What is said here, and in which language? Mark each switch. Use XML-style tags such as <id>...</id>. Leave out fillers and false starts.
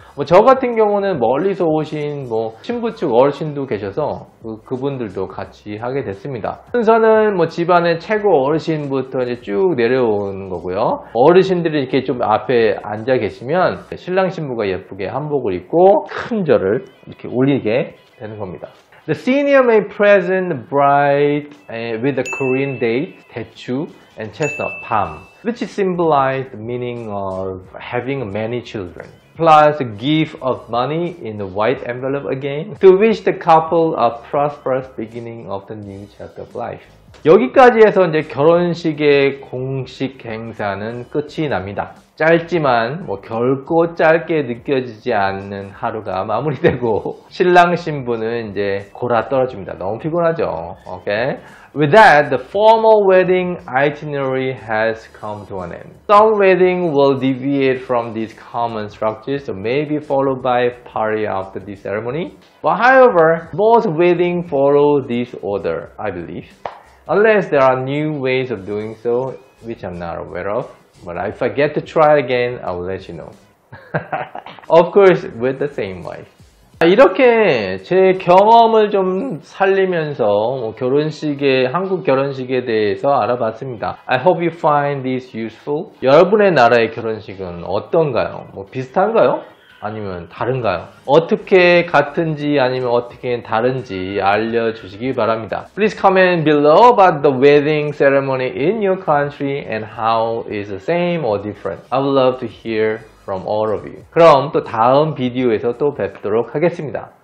<ko>뭐 저 같은 경우는 멀리서 오신 뭐 신부 측 어르신도 계셔서 그분들도 같이 하게 됐습니다. 순서는 뭐 집안의 최고 어르신부터 이제 쭉 내려오는 거고요. 어르신들이 이렇게 좀 앞에 앉아 계시면 신랑 신부가 예쁘게 한복을 입고 큰 절을 이렇게 올리게 되는 겁니다.</ko> <en>The senior may present the bride with a Korean date, 대추, and chestnut palm, which symbolize the meaning of having many children, plus a gift of money in the white envelope again, to wish the couple a prosperous beginning of the new chapter of life.</en> <ko>여기까지 해서 이제 결혼식의 공식 행사는 끝이 납니다. 짧지만 뭐 결코 짧게 느껴지지 않는 하루가 마무리되고 신랑 신부는 이제 골아 떨어집니다. 너무 피곤하죠. Okay.</ko> <en>With that, the formal wedding itinerary has come to an end. Some wedding will deviate from these common structures, so maybe followed by party after the ceremony. But however, most wedding follow this order, I believe. Unless there are new ways of doing so, which I'm not aware of. But if I get to try it again, I will let you know. Of course, with the same wife.</en> <ko>이렇게 제 경험을 좀 살리면서 결혼식의 한국 결혼식에 대해서 알아봤습니다.</ko> <en>I hope you find this useful.</en> <ko>여러분의 나라의 결혼식은 어떤가요? 뭐 비슷한가요? 아니면 다른가요? 어떻게 같은지 아니면 어떻게 다른지 알려주시기 바랍니다.</ko> <en>Please comment below about the wedding ceremony in your country and how is the same or different. I would love to hear from all of you.</en> <ko>그럼 또 다음 비디오에서 또 뵙도록 하겠습니다.</ko>